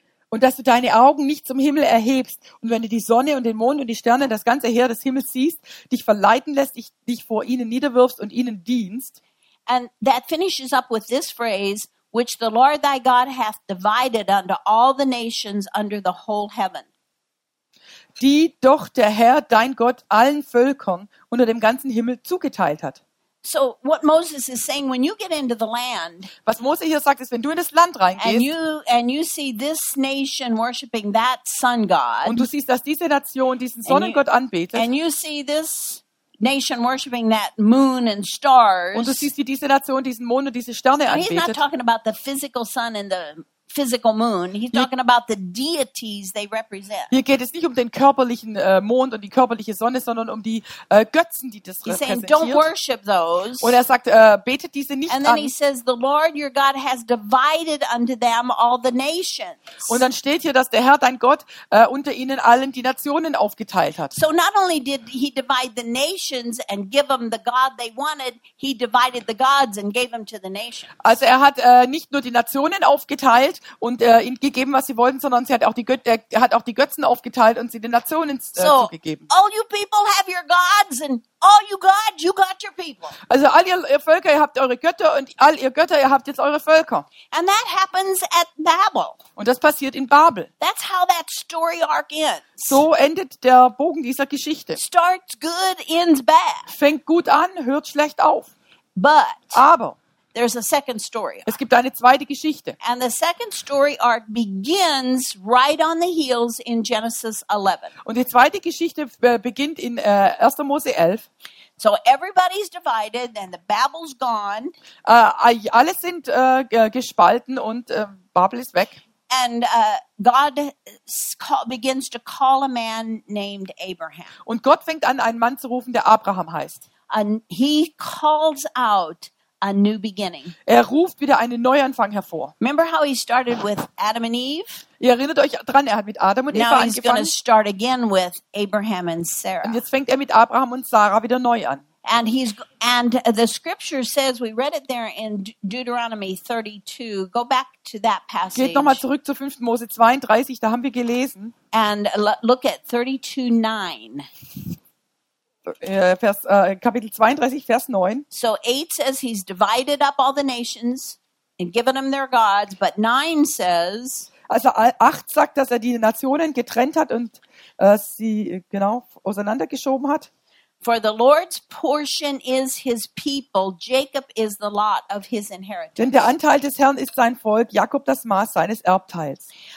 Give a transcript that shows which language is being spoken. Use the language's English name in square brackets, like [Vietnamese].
[German] Und dass du deine Augen nicht zum Himmel erhebst und wenn du die Sonne und den Mond und die Sterne, das ganze Heer des Himmels siehst, dich verleiten lässt, dich vor ihnen niederwirfst und ihnen dienst. [English] And that finishes up with this phrase, which the Lord thy God hath divided unto all the nations under the whole heaven. [German] Die doch der Herr, dein Gott, allen Völkern unter dem ganzen Himmel zugeteilt hat. [English] So what Moses is saying, when you get into the land, [German] was Mose hier sagt, ist, wenn du in das Land reingehst, [English] and you see this nation worshiping that sun god, [German] und du siehst, dass diese Nation diesen Sonnengott anbetet, [English] and you see this nation worshiping that moon and stars. [German] Und du siehst, wie diese Nation diesen Mond und diese Sterne anbetet. [English] He's not talking about the physical sun and the physical moon. He's talking about the deities they represent. [German] Hier geht es nicht um den körperlichen Mond und die körperliche Sonne, sondern um die Götzen, die das repräsentiert. [English] He's saying, don't worship those. [German] Und er sagt, betet diese nicht an. [English] And then he says, the Lord your God has divided unto them all the nations. [German] Und dann steht hier, dass der Herr dein Gott unter ihnen allen die Nationen aufgeteilt hat. [English] So not only did he divide the nations and give them the God they wanted, he divided the gods and gave them to the nations. [German] Also er hat nicht nur die Nationen aufgeteilt und ihnen gegeben, was sie wollten, sondern sie hat auch die Götzen aufgeteilt und sie den Nationen zugegeben. [English] All you people have your gods and all you gods, you got your people. [German] Also all ihr Völker, ihr habt eure Götter und all ihr Götter, ihr habt jetzt eure Völker. [English] And that happens at Babel. [German] Und das passiert in Babel. [English] That's how that story arc ends. [German] So endet der Bogen dieser Geschichte. [English] Starts good, ends bad. [German] Fängt gut an, hört schlecht auf. [English] Aber there's a second story arc. [German] Es gibt eine zweite Geschichte. [English] And the second story arc begins right on the heels in Genesis 11. [German] Und die zweite Geschichte beginnt in 1. Mose 11. [English] So everybody's divided and the Babel's gone. [German] Alle sind gespalten und Babel ist weg. [English] And God begins to call a man named Abraham. [German] Und Gott fängt an, einen Mann zu rufen, der Abraham heißt. [English] And he calls out a new beginning. [German] Er ruft wieder einen Neuanfang hervor. [English] Remember how he started with Adam and Eve? [German] Ihr erinnert euch dran, er hat mit Adam und Eva angefangen. [English] Now he's going to start again with Abraham and Sarah. [German] Und jetzt fängt er mit Abraham und Sarah wieder neu an. [English] And the scripture says, we read it there in Deuteronomy 32. Go back to that passage. [German] Geht nochmal zurück zu 5. Mose 32, da haben wir gelesen. [English] And look at 32:9. [German] Kapitel 32, Vers 9. [English] So 8 says he's divided up all the nations and given them their gods, but 9 says. [German] Also 8 sagt, dass er die Nationen getrennt hat und sie genau auseinandergeschoben hat. [English] For the Lord's portion is his people, Jacob is the lot of his inheritance. [German] Denn der Anteil des Herrn ist sein Volk, Jakob das Maß seines Erbteils.